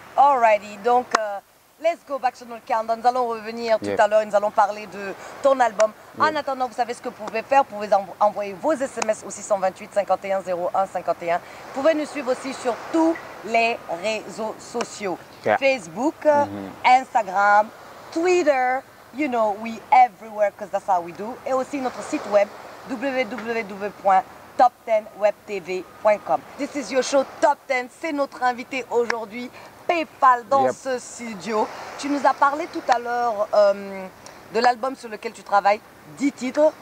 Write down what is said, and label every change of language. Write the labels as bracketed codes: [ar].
[en] Alrighty, donc... Let's go back to the calendar. [fr] Nous allons revenir tout à l'heure et nous allons parler de ton album. En attendant, vous savez ce que vous pouvez faire. Vous pouvez envoyer vos SMS au 628-51-01-51. Vous pouvez nous suivre aussi sur tous les réseaux sociaux. [en] Yeah. Facebook, Instagram, Twitter. You know, we everywhere because that's how we do. [fr] Et aussi notre site web www.top10webtv.com. [en] This is your show Top 10. [fr] C'est notre invité aujourd'hui. PayPal dans ce studio. Tu nous as parlé tout à l'heure de l'album sur lequel tu travailles, 10 titres.